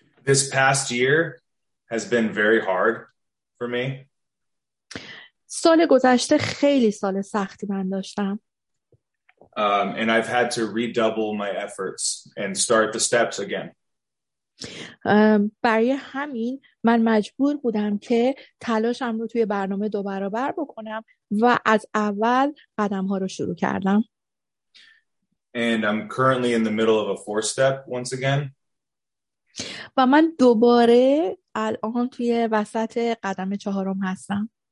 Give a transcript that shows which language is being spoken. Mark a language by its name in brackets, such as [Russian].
[English] This past year has been very hard for me. [Persian] سال گذشته خیلی سال سختی من داشتم. [English] And I've had to redouble my efforts and start the steps again. [Persian] برای همین من مجبور بودم که تلاشم رو توی برنامه دو برابر بکنم و از اول قدم‌ها رو شروع کردم. [English] And I'm currently in the middle of a four step once again. [Persian] و من دوباره الان توی وسط قدم چهارم هستم.